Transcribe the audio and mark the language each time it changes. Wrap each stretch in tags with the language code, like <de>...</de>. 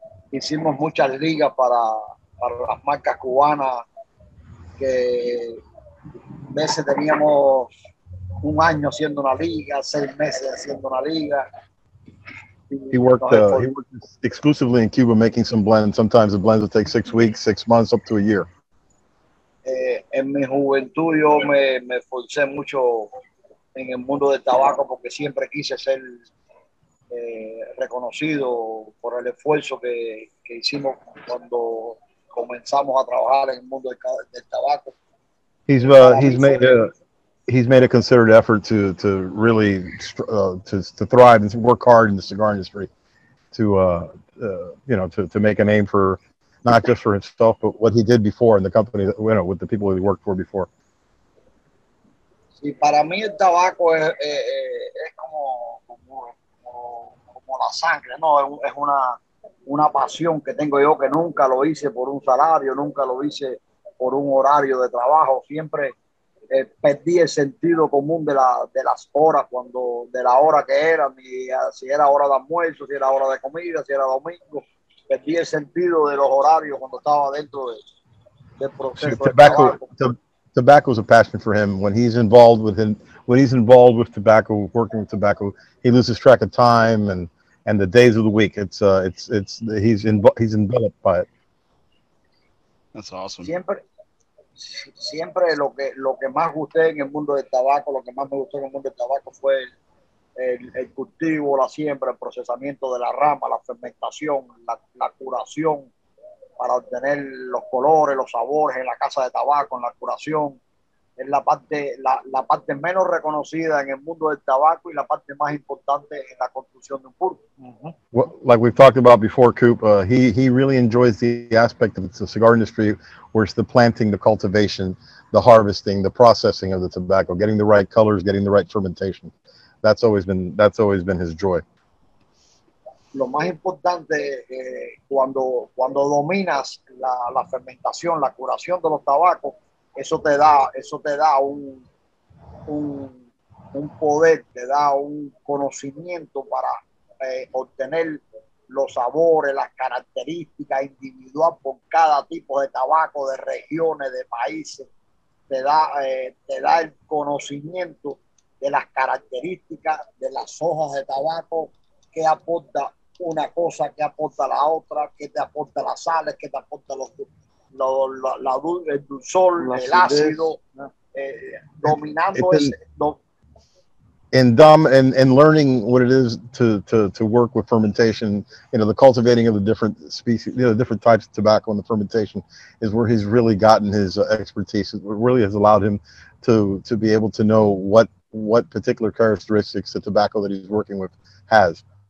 <es>hicimos muchas ligas para las marcas cubanas que a veces teníamos un año haciendo una liga, seis meses haciendo una liga.</es> <en>He worked exclusively in Cuba making some blends. Sometimes the blends would take 6 weeks, 6 months, up to a year.</en> <es>En mi juventud yo me forcé mucho en el mundo del tabaco porque siempre quise ser reconocido por el esfuerzo que hicimos cuando comenzamos a trabajar en el mundo del tabaco.</es> <en>He's made a considered effort to really thrive and to work hard in the cigar industry to make a name for not just for himself, but what he did before in the company, you know, with the people that he worked for before.</en> <es>Sí, para mí el tabaco es como la sangre, ¿no? Es una pasión que tengo yo que nunca lo hice por un salario, nunca lo hice por un horario de trabajo, siempre... perdí el sentido común de las horas cuando de la hora que era, si era hora de almuerzo, si era hora de comida, si era domingo, perdí el sentido de los horarios cuando estaba dentro de, del proceso.</es> <en>Tobacco is a passion for him. When he's involved with him, when he's involved with tobacco, working with tobacco, he loses track of time and the days of the week. He's enveloped by it. That's awesome.</en> <es>Siempre lo que más gusté en el mundo del tabaco, lo que más me gustó en el mundo del tabaco fue el cultivo, la siembra, el procesamiento de la rama, la fermentación, la curación para obtener los colores, los sabores en la casa de tabaco, en la curación. Es la parte menos reconocida en el mundo del tabaco y la parte más importante en la construcción de un puro. Uh-huh.</es> <en>Well, like we've talked about before, Coop, he really enjoys the aspect of the cigar industry, where it's the planting, the cultivation, the harvesting, the processing of the tobacco, getting the right colors, getting the right fermentation. That's always been his joy.</en> <es>Lo más importante cuando dominas la fermentación, la curación de los tabacos, eso te da un poder, te da un conocimiento para obtener los sabores, las características individual por cada tipo de tabaco, de regiones, de países. Te da el conocimiento de las características de las hojas de tabaco, que aporta una cosa, que aporta la otra, que te aporta las sales, que te aporta el dulzor, el ácido, dominando</es> <en>And learning what it is to work with fermentation, you know, the cultivating of the different species, you know, the different types of tobacco, and the fermentation is where he's really gotten his expertise. It really has allowed him to be able to know what particular characteristics the tobacco that he's working with has.</en>